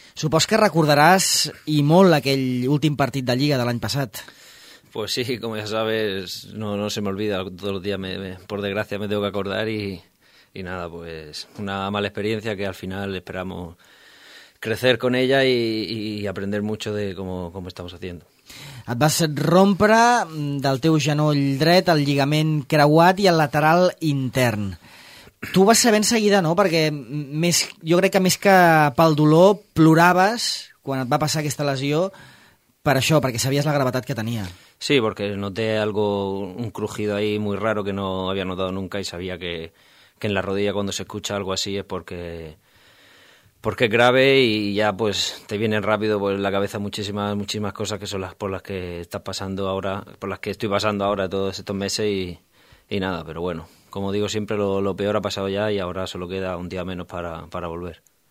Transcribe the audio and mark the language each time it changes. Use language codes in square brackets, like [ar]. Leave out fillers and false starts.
[ca] Supos que recordaràs i molt aquell últim partit de Lliga de l'any passat. [es] Pues sí, como ya sabes, no se me olvida, todos los días, por desgracia, me tengo que acordar y nada, pues una mala experiencia que al final esperamos crecer con ella y aprender mucho de cómo estamos haciendo. [ca] Et vas rompre del teu genoll dret el lligament creuat i el lateral intern. Tu ho vas saber enseguida, no? Perquè més, jo crec que més que pel dolor ploraves quan et va passar aquesta lesió per això, perquè sabies la gravetat que tenia. [es] Sí, porque noté algo, un crujido ahí muy raro que no había notado nunca y sabía que en la rodilla cuando se escucha algo así es porque es grave y ya pues te vienen rápido pues en la cabeza muchísimas cosas que son las por las que estás pasando ahora, por las que estoy pasando ahora todos estos meses y nada, pero bueno, como digo siempre, lo peor ha pasado ya y ahora solo queda un día menos para volver.